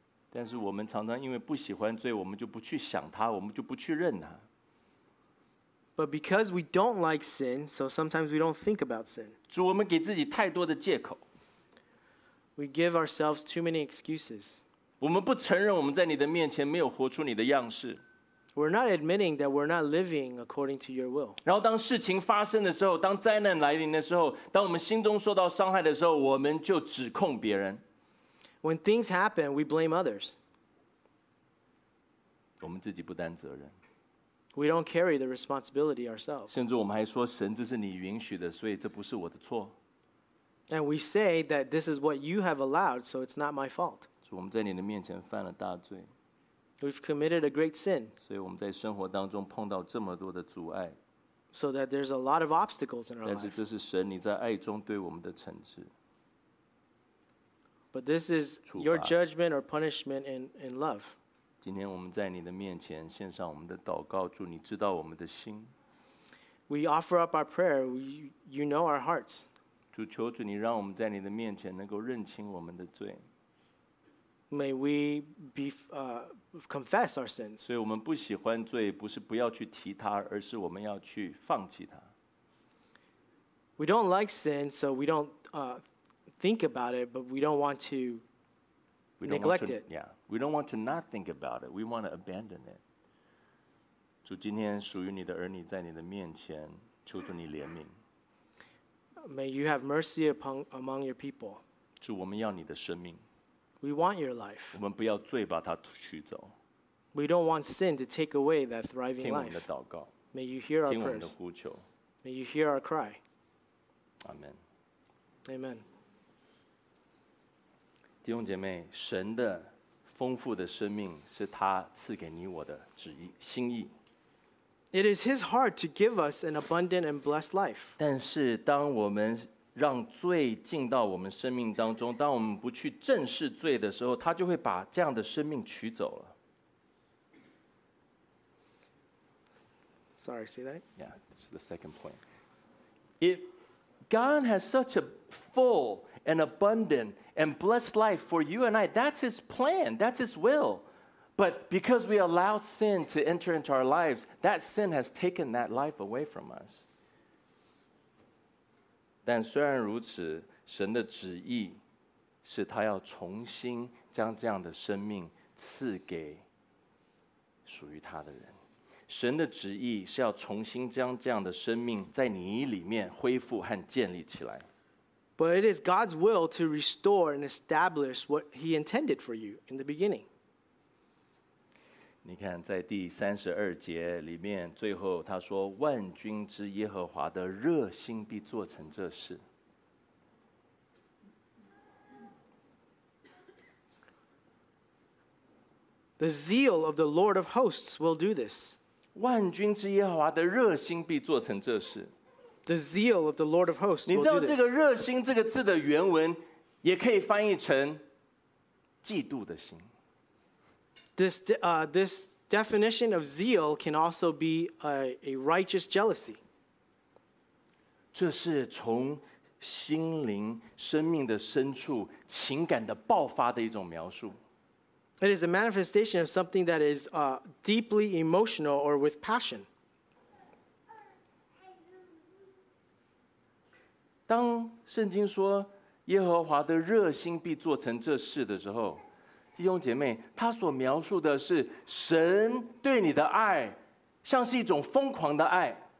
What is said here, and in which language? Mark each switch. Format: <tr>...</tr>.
<zh>但是我们常常因为不喜欢罪，我们就不去想它，我们就不去认它。</zh> <en>But because we don't like sin, so sometimes we don't think about sin.</en> <zh>主，我们给自己太多的借口。</zh> <en>We give ourselves too many excuses.</en> <zh>我们不承认我们在你的面前没有活出你的样式。</zh> <en>We're not admitting that we're not living according to your will.</en> <zh>然后当事情发生的时候，当灾难来临的时候，当我们心中受到伤害的时候，我们就指控别人。</zh> <en>When things happen, we blame others.</en> <zh>我们自己不担责任。</zh> <en>We don't carry the responsibility ourselves.</en> <zh>甚至我们还说，神，这是你允许的，所以这不是我的错。</zh> <en>And we say that this is what you have allowed, so it's not my fault.</en> <zh>主，我们在你的面前犯了大罪。</zh> <en>We've committed a great sin.</en> <zh>所以我们在生活当中碰到这么多的阻碍。</zh> <en>So that there's a lot of obstacles in our life.</en> <zh>但是这是神你在爱中对我们的惩治。</zh> <en>But this is your judgment or punishment in love.</en> <zh>今天我们在你的面前献上我们的祷告，主，你知道我们的心。</zh> <en>We offer up our prayer. You know our hearts.</en> <zh>主，求主你让我们在你的面前能够认清我们的罪。</zh> <en>May we be confess our sins.</en> <zh>所以我们不喜欢罪，不是不要去提它，而是我们要去放弃它。</zh> <en>We don't like sin, so we don't think about it, but we don't want to neglect it. Yeah, we don't want to not think about it. We want to abandon it.</en> <zh>主，今天属于你的儿女在你的面前，求主你怜悯。</zh> <en>May you have mercy upon among your people.</en> <zh>主，我们要你的生命。</zh> <en>We want your life.</en> <zh>我们不要罪把它取走。</zh> <en>We don't want sin to take away that thriving life.</en> <zh>听我们的祷告。</zh> <en>May you hear our prayers.</en> <zh>听我们的呼求。</zh> <en>May you hear our cry. Amen. Amen.</en> <zh>弟兄姐妹，神的丰富的生命是他赐给你我的旨意心意。</zh> <en>It is His heart to give us an abundant and blessed life.</en> <zh>但是当我们让罪进到我们生命当中，当我们不去正视罪的时候，他就会把这样的生命取走了。</zh> <en>Sorry, see that? Yeah, this is the second point. If God has such a full and abundant and blessed life for you and I, that's His plan, that's His will. But because we allowed sin to enter into our lives, that sin has taken that life away from us.</en> <zh>但虽然如此，神的旨意是他要重新将这样的生命赐给属于他的人。神的旨意是要重新将这样的生命在你里面恢复和建立起来。</zh> <en>But it is God's will to restore and establish what He intended for you in the beginning.</en> <zh>你看，在第三十二节里面，最后他说：“万军之耶和华的热心必做成这事。”</zh> <en>The zeal of the Lord of hosts will do this.</en> <zh>万军之耶和华的热心必做成这事。</zh> <en>The zeal of the Lord of hosts will do this.</en> <zh>你知道这个“热心”这个字的原文，也可以翻译成嫉妒的心。</zh> <en>This definition of zeal can also be a righteous jealousy.</en> <zh>这是从心灵、生命的深处情感的爆发的一种描述。</zh> <en>It is a manifestation of something that is deeply emotional or with passion.</en> <zh>当圣经说耶和华的热心必做成这事的时候，弟兄姐妹，他所描述的是神对你的爱，像是一种疯狂的爱。</zh>